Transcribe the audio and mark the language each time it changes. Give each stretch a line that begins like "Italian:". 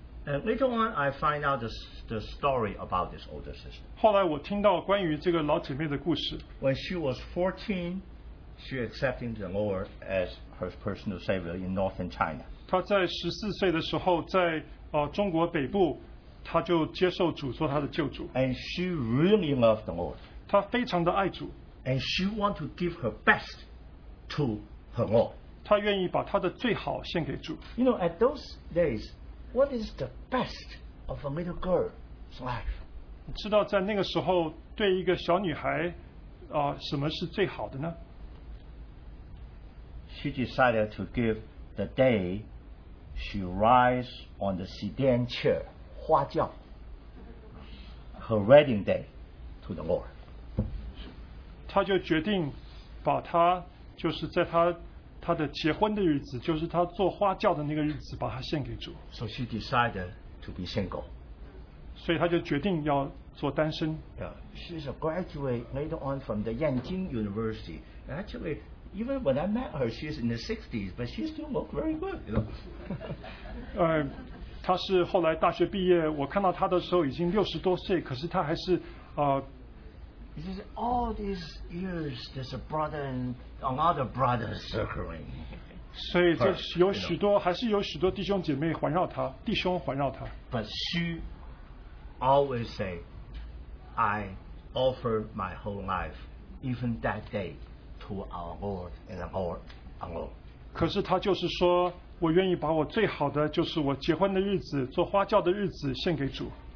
English: And later on, I find out the story about this older sister.
Chinese: 后来我听到关于这个老姐妹的故事。
English: When she was 14, she accepted the Lord as her personal savior in northern China.
Chinese: 她在14岁的时候, 在中国北部, 她就接受主做她的救主。
English: And she really loved the Lord.
Chinese: 她非常的爱主。
English: And she wanted to give her best to her Lord.
Chinese: 她愿意把她的最好献给主。
English: You know, at those days, what is the best of a little girl's life?
Chinese: 你知道在那个时候, 对一个小女孩, 什么是最好的呢?
English: She decided to give the day she rides on the sedan chair, 花轿, her wedding day to the Lord.
Chinese: 她就决定把她就是在她 她的结婚的日子, 就是她做花轿的那个日子, 把她献给主。
English: So she decided to be single.
Chinese: 所以她就决定要做单身。
English: Yeah, she's a graduate later on from the Yanjing University. Actually, even when I met her, she's in the 60s, but she still looked very good, you know.
Chinese: 她是后来大学毕业, 我看到她的时候已经60多岁, 可是她还是,
English: He says, all these years, there's a brother and another brother circling.
Chinese: 所以这有许多, 还是有许多弟兄姐妹环绕他, 弟兄环绕他。
English: But she always say, I offer my whole life, even that day, to our Lord and our Lord.
Chinese: 可是他就是说, 我愿意把我最好的, 就是我结婚的日子, 做花轿的日子, 献给主。